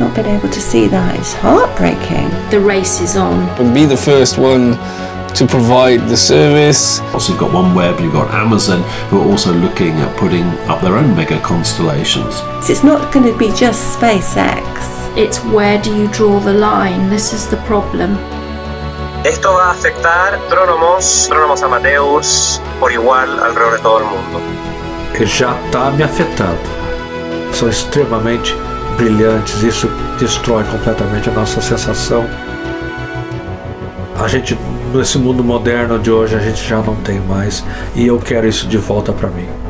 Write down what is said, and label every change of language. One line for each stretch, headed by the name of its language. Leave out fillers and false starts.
English: Not being able to see that is heartbreaking. The race is on. And be the first one to provide the service. Also, you've got OneWeb, you've got Amazon, who are also looking at putting up their own mega constellations. So it's not going to be just SpaceX. It's where do you draw the line? This is the problem.
Spanish: Esto va a afectar astrónomos, astrónomos amateurs, por igual alrededor de todo el mundo.
Portuguese: Que já está me afetando. São extremamente brilhantes, isso destrói completamente a nossa sensação. A gente, nesse mundo moderno de hoje, a gente já não tem mais. E eu quero isso de volta para mim.